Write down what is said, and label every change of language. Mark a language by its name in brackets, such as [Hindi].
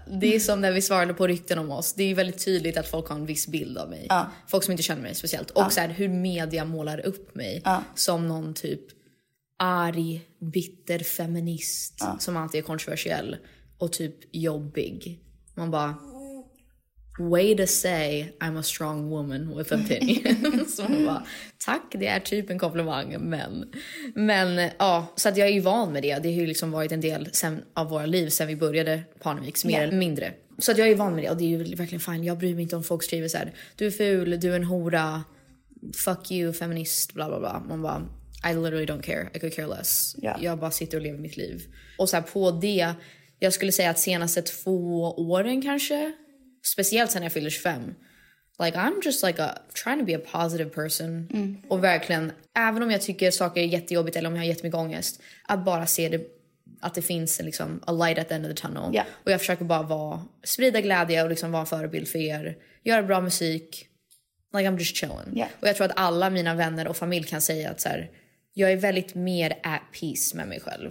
[Swedish] Det är som när vi svarade på rykten om oss. Det är ju väldigt tydligt att folk har en viss bild av mig. Folk som inte känner mig speciellt. Och så här, hur media målar upp mig som någon typ arg, bitter feminist. Som alltid är kontroversiell. Och typ jobbig. Man bara... [English] Way to say I'm a strong woman with opinions. [Swedish] Så man bara, tack, det är typ en komplimang. Men ja, så att jag är ju van med det. Det har ju liksom varit en del av våra liv sen vi började Panamix, mer eller mindre. Så att jag är ju van med det och det är ju verkligen fine. Jag bryr mig inte om folk skriver så här, du är ful, du är en hora, fuck you, feminist, bla bla bla. Man bara, [English] I literally don't care, I could care less. Yeah. [Swedish] Jag bara sitter och lever mitt liv. Och så här, på det, jag skulle säga att senaste 2 åren kanske... Speciellt sen jag fyller 25. [English] Like, I'm just like trying to be a positive person. Mm. [Swedish] Och verkligen, även om jag tycker saker är jättejobbigt eller om jag har jättemycket ångest, att bara se det, att det finns liksom, [English] a light at the end of the tunnel. Yeah. [Swedish] Och jag försöker bara sprida glädje och liksom vara en förebild för er. Göra bra musik. [English] Like, I'm just chilling. Yeah. [Swedish] Och jag tror att alla mina vänner och familj kan säga att så här, jag är väldigt mer at peace med mig själv.